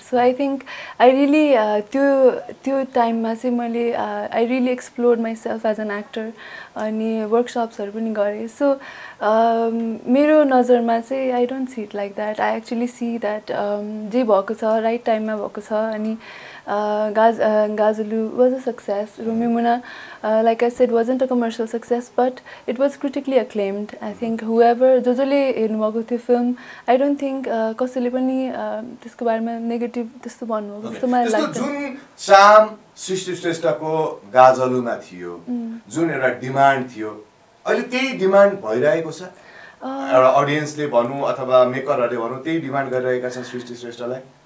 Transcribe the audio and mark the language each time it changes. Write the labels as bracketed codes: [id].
[en] so I think I really [ne] त्यो टाइममा चाहिँ मैले [en] I really explore myself as an actor, [ne] अनि वर्कसप्सहरू पनि गरेँ. सो मेरो नजरमा चाहिँ [en] I don't see it like that. I actually see that [ne] जे भएको छ राइट टाइममा भएको छ, अनि [en] Gajalu was a success. Romi Muna like I said wasn't a commercial success, but it was critically acclaimed. I think whoever [ne] जो जसले हेर्नुभएको थियो फिल्म, [en] I don't think [ne] कसैले पनि त्यसको बारेमा नेगेटिभ त्यस्तो भन्नुभएको जस्तो मलाई लाग्छ. जुन चाम सृष्टि श्रेष्ठको गाजलुमा थियो, जुन एउटा डिमान्ड थियो, अहिले त्यही डिमान्ड भइरहेको छ एउटा अडियन्सले भनौँ अथवा मेकरहरूले भनौँ, त्यही डिमान्ड गरिरहेका छन् सृष्टि श्रेष्ठलाई.